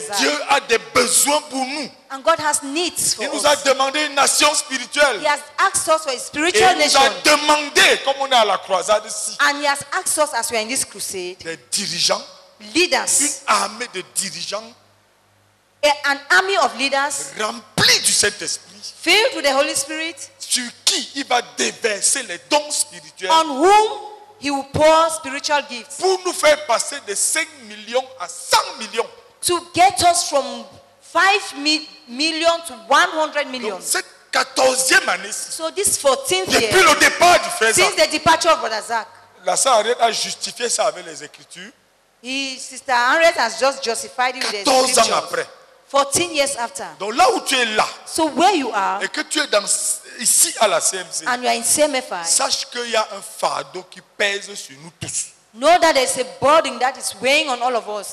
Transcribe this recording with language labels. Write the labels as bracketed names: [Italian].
[French] Zion. Et Dieu a des besoins pour nous. [English] And God has needs for [French] Il nous [English] us. [French] A demandé une nation spirituelle. [English] He has asked us for a spiritual [French] Et nous [English] nation. [French] A demandé, comme on est à la croisade ici. [English] And he has asked us as we are in this crusade. [French] Des dirigeants. [English] Leaders. [French] Une armée de dirigeants. [English] An army of leaders. [French] Remplis du Saint-Esprit. [English] Filled with the Holy Spirit. [French] Sur qui il va déverser les dons spirituels. [English] On whom he will pour spiritual gifts. [French] Pour nous faire passer de 5 millions à 100 millions. [English] To get us from 5 million to 100 million. [French] Donc, cette 14e année. [English] So this 14th year. [French] Depuis le départ du frère [English] Since the departure of Brother Zach. [French] La sœur Henriette a justifié ça avec les Écritures. [English] Sister Henriette has just justified it with the Scriptures. [French] 14 ans après. [English] 14 years after. [French] Donc là où tu es là. [English] So where you are. [French] Et que tu es dans ici à la CMC. [English] And you are in CMFI. [French] Sache qu'il y a un fardeau qui pèse sur nous tous. [English] Know that there is a burden that is weighing on all of us.